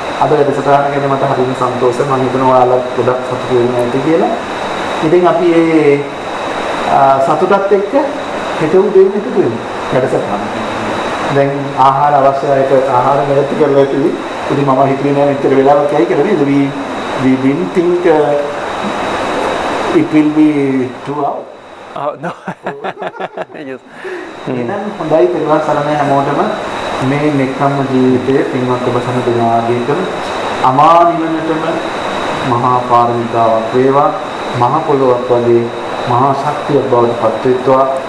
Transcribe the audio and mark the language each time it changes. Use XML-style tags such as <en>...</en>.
<si>අද වැඩසටහන ගැන මට හරිම සන්තෝෂයි. මම හිතනවා ඔයාලා ගොඩක් සතුට වෙනවා කියලා. ඉතින් අපි මේ සතුටත් එක්ක හිතමු දෙන්න සිදු වෙනවා වැඩසටහන. දැන් ආහාර අවශ්‍යයි ඒක ආහාර මෙහෙති කරලා ඉතිවි. ඉතින් මම හිතුවේ නෑ මෙච්චර වෙලාවක් යයි කියලා නේද?</si> <en>We didn't think it will be 2 hours.</en> <si>හොඳයි පින්වත් සරණයි හැමෝටම මේ නෙක්ඛම්ම ජීවිතයේ පින්වත් ඔබ සමග දිනාගෙන කර අමා නිවනටම මහා පාරමිතාවක් වේවා. මහ පොළොවක් වගේ මහා ශක්තියක් බවට පත්වෙත්වා.</si>